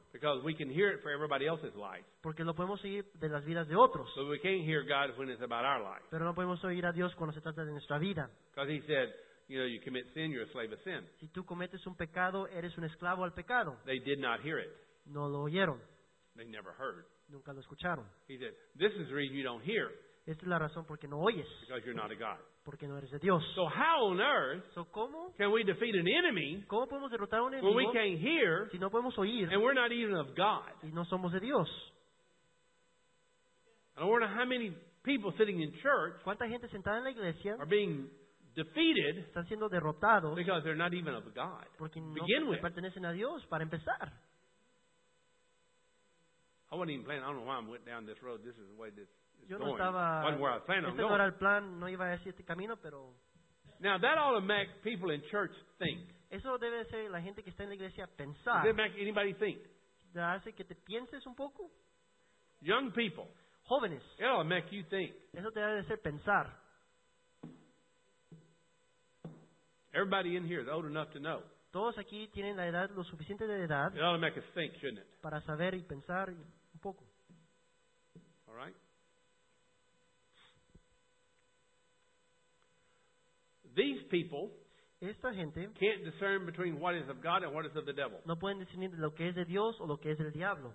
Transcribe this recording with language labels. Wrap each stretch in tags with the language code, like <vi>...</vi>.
<en>Because we can hear it for everybody else's life.</en> <es>Porque lo podemos oír de las vidas de otros.</es> <en>But we can't hear God when it's about our life.</en> <es>Pero no podemos oír a Dios cuando se trata de nuestra vida.</es> <en>Because he said, you know, you commit sin, you're a slave of sin.</en> <es>Si tú cometes un pecado, eres un esclavo al pecado.</es> <en>They did not hear it.</en> <es>No lo oyeron.</es> <en>They never heard.</en> <es>Nunca lo escucharon.</es> <en>He said, this is the reason you don't hear.</en> <es>Esta es la razón porque no oyes.</es> <en>Because you're not a God.</en> <es>Porque no eres de Dios.</es> <en>So how on earth can we defeat an enemy when we can't hear</en> <es>si no podemos oír,</es> <en>and we're not even of God?</en> <es>Y no somos de Dios.</es> <en>I wonder how many people sitting in church</en> <es>¿cuánta gente sentada en la iglesia</es> <en>are being defeated</en> <es>están siendo derrotados</es> <en>because they're not even of God</en> <es>porque no</es> <en>begin with.</en> <es>Pertenecen a Dios para empezar.</es> <en>I wasn't even planning. I don't know why I went down this road. This is the way this</en> <es>yo no estaba. Este no era el plan, no iba a decir este camino, pero.</es> <en>Now that ought to make people in church think.</en> <es>Eso debe hacer la gente que está en la iglesia pensar.</es> <en>Does it make anybody think?</en> <es>¿De hace que te pienses un poco?</es> <en>Young people.</en> <es>Jóvenes.</es> <en>It ought to make you think.</en> <es>Eso te debe hacer pensar.</es> <en>Everybody in here is old enough to know.</en> <es>Todos aquí tienen la edad lo suficiente de edad.</es> <en>It ought to make us think, shouldn't it?</en> <es>Para saber y pensar un poco.</es> <en>All right. These people</en> <es>esta gente</es> <en>can't discern between what is of God and what is of the devil.</en> <es>No pueden discernir lo que es de Dios o lo que es del diablo.</es>